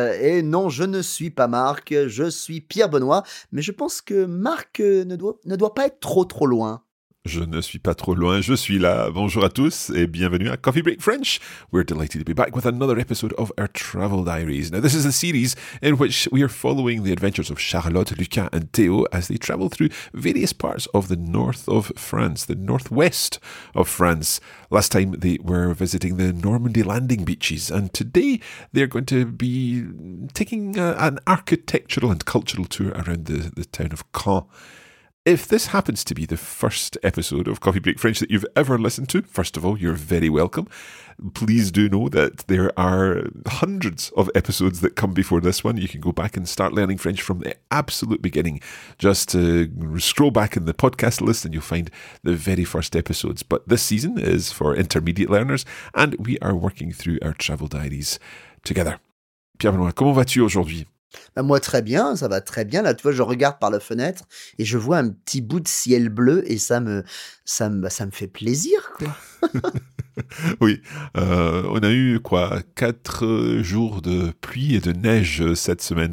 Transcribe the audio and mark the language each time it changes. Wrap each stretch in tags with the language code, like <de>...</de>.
<fr>Et non, je ne suis pas Marc, je suis Pierre Benoît, mais je pense que Marc ne doit pas être trop loin. Je ne suis pas trop loin, je suis là. Bonjour à tous et bienvenue à Coffee Break French.</fr> <en>We're delighted to be back with another episode of our travel diaries. Now, this is a series in which we are following the adventures of Charlotte, Lucas and Théo as they travel through various parts of the north of France, the northwest of France. Last time they were visiting the Normandy landing beaches, and today they're going to be taking an architectural and cultural tour around the town of Caen. If this happens to be the first episode of Coffee Break French that you've ever listened to, first of all, you're very welcome. Please do know that there are hundreds of episodes that come before this one. You can go back and start learning French from the absolute beginning. Just scroll back in the podcast list and you'll find the very first episodes. But this season is for intermediate learners and we are working through our travel diaries together.</en> <fr>Pierre Benoît, comment vas-tu aujourd'hui? Ben moi, très bien, ça va très bien. Là, tu vois, je regarde par la fenêtre et je vois un petit bout de ciel bleu et ça me fait plaisir, quoi. Oui, on a eu, quoi, 4 jours de pluie et de neige cette semaine.</fr>